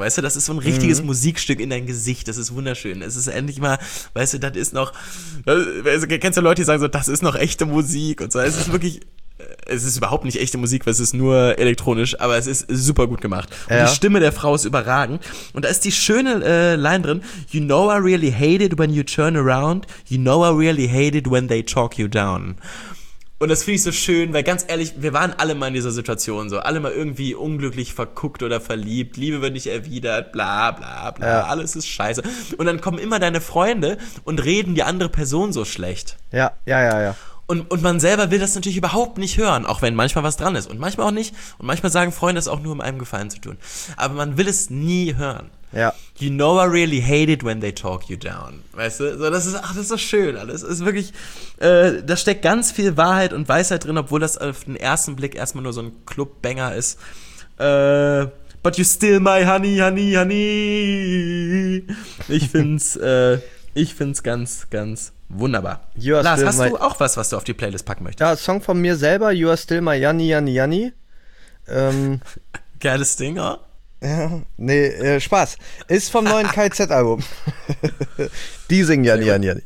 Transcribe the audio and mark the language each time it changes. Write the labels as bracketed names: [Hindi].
[German] Weißt du, das ist so ein richtiges Musikstück in dein Gesicht. Das ist wunderschön. Es ist endlich mal, weißt du, das ist noch. Kennst du Leute, die sagen so, das ist noch echte Musik und so. Es ist wirklich. Es ist überhaupt nicht echte Musik, weil es ist nur elektronisch, aber es ist super gut gemacht. Und die Stimme der Frau ist überragend. Und da ist die schöne Line drin. [English] You know I really hate it when you turn around. You know I really hate it when they talk you down. [German] Und das finde ich so schön, weil ganz ehrlich, wir waren alle mal in dieser Situation so. Alle mal irgendwie unglücklich verguckt oder verliebt. Liebe wird nicht erwidert, bla bla bla. Ja. Alles ist scheiße. Und dann kommen immer deine Freunde und reden die andere Person so schlecht. Ja. Und man selber will das natürlich überhaupt nicht hören, auch wenn manchmal was dran ist. Und manchmal auch nicht. Und manchmal sagen Freunde es auch nur, um einem Gefallen zu tun. Aber man will es nie hören. Ja. [English] You know I really hate it when they talk you down. [German] Weißt du? So, das ist so schön alles. Ist wirklich, da steckt ganz viel Wahrheit und Weisheit drin, obwohl das auf den ersten Blick erstmal nur so ein Club-Banger ist. [English] But you still my honey, honey, honey. [German] Ich find's ganz, ganz wunderbar. Lars, hast du auch was du auf die Playlist packen möchtest? Ja, Song von mir selber, [English] You are still my Yanni, Yanni, [German] Yanni. Geiles Ding, oder? Ja, nee, Spaß. Ist vom neuen KZ-Album. Die singen Yanni, Yanni, Yanni.